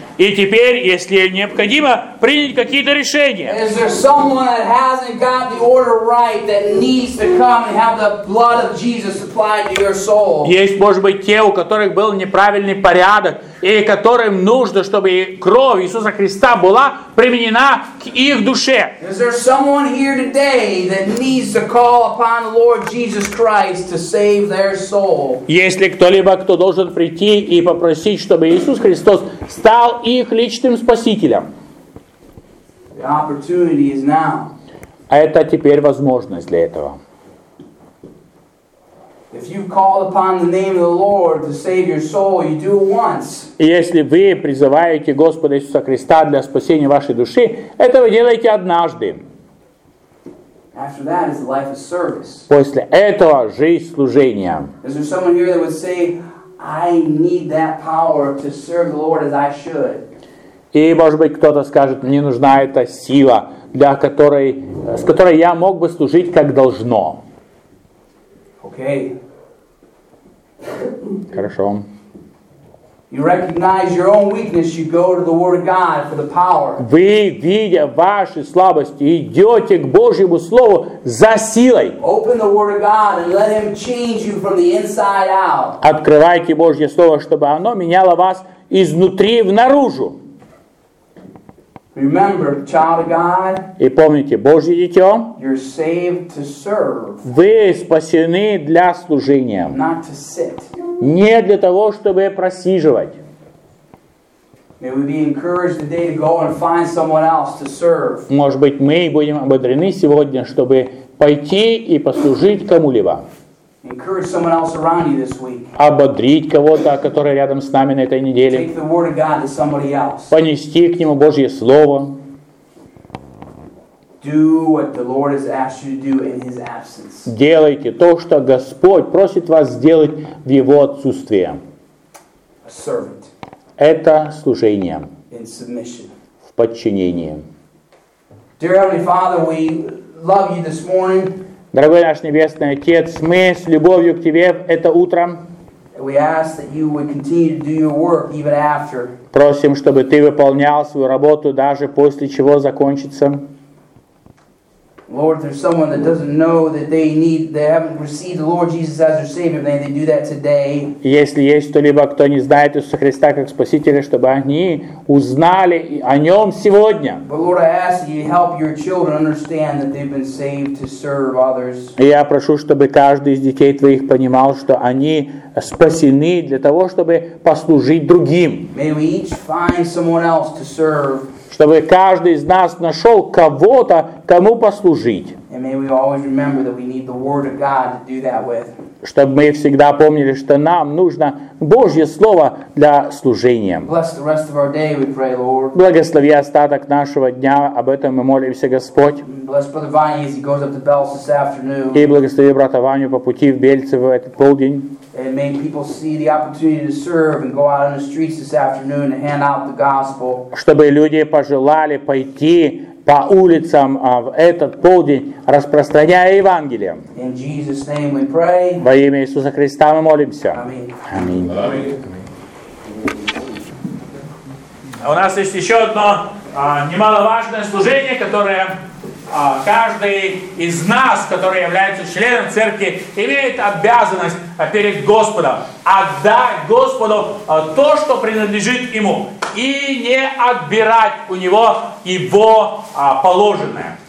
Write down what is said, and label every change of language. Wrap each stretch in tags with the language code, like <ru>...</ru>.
<ru>И теперь, если необходимо, принять какие-то решения.</ru> <en>Is there someone that hasn't got the order right that needs to come and have the blood of Jesus applied to your soul?</en> <ru>Есть, может быть, те, у которых был неправильный порядок, и которым нужно, чтобы кровь Иисуса Христа была применена к их душе.</ru> <en>Is there someone here today that needs to call upon the Lord Jesus Christ to save their soul?</en> <ru>Есть ли кто-либо, кто должен прийти и попросить, чтобы Иисус Христос стал их личным спасителем?</ru> <en>The opportunity is now.</en> <ru>А это теперь возможность для этого.</ru> <en>If you call upon the name of the Lord to save your soul, you do it once.</en> <ru>И если вы призываете Господа Иисуса Христа для спасения вашей души, это вы делаете однажды.</ru> <en>After that is the life of service.</en> <ru>После этого жизнь служения.</ru> <en>Is there someone here that would say, I need that power to serve the Lord as I should?</en> <ru>И, может быть, кто-то скажет, мне нужна эта сила, для которой, с которой я мог бы служить как должно.</ru> <en>Okay.</en> <ru>Хорошо.</ru> <en>You recognize your own weakness, you go to the Word of God for the power.</en> <ru>Вы, видя ваши слабости, идете к Божьему Слову за силой.</ru> <en>Open the Word of God and let Him change you from the inside out.</en> <ru>Открывайте Божье Слово, чтобы оно меняло вас изнутри внаружи.</ru> <en>Remember, child of God.</en> <ru>И помните, Божье дитё.</ru> <en>You're saved to serve.</en> <ru>Вы спасены для служения.</ru> <en>Not to sit.</en> <ru>Не для того, чтобы просиживать.</ru> <en>May we be encouraged today to go and find someone else to serve.</en> <ru>Может быть, мы будем ободрены сегодня, чтобы пойти и послужить кому-либо.</ru> <en>Encourage someone else around you this week.</en> <ru>Ободрить кого-то, который рядом с нами на этой неделе.</ru> <en>Take the word of God to somebody else.</en> <ru>Понести к нему Божье Слово.</ru> <en>Do what the Lord has asked you to do in His absence.</en> <ru>Делайте то, что Господь просит вас сделать в Его отсутствии.</ru> <en>A servant.</en> <ru>Это служение.</ru> <en>In submission.</en> <ru>В подчинении.</ru> <en>Dear Heavenly Father, we love you this morning.</en> <ru>Дорогой наш Небесный Отец, мы с любовью к Тебе это утро просим, чтобы Ты выполнял свою работу даже после чего закончится.</ru> <en>Lord, there's someone that doesn't know that they haven't received the Lord Jesus as their Savior, then they do that today.</en> <ru>Если есть кто-либо, кто не знает Иисуса Христа как Спасителя, чтобы они узнали о Нем сегодня.</ru> <en>But Lord, I ask that you help your children understand that they've been saved to serve others.</en> <ru>Я прошу, чтобы каждый из детей твоих понимал, что они спасены для того, чтобы послужить другим.</ru> <en>May we each find someone else to serve.</en> <ru>Чтобы каждый из нас нашел кого-то, кому послужить. Чтобы мы всегда помнили, что нам нужно Божье Слово для служения.</ru> <en>Bless the rest of our day, we pray, Lord.</en> <ru>Благослови остаток нашего дня, об этом мы молимся, Господь.</ru> <en>Bless Brother Vanya as he goes up to Bells this afternoon.</en> <ru>И благослови брата Ваню по пути в Бельцево в этот полдень.</ru> <en>And may people see the opportunity to serve and go out on the streets this afternoon and hand out the gospel.</en> <ru>Чтобы люди пожелали пойти по улицам в этот полдень, распространяя Евангелие.</ru> <en>In Jesus' name we pray.</en> <ru>Во имя Иисуса Христа мы молимся. Аминь. У нас есть еще одно немаловажное служение, которое каждый из нас, который является членом церкви, имеет обязанность перед Господом отдать Господу то, что принадлежит Ему, и не отбирать у Него Его положенное.</ru>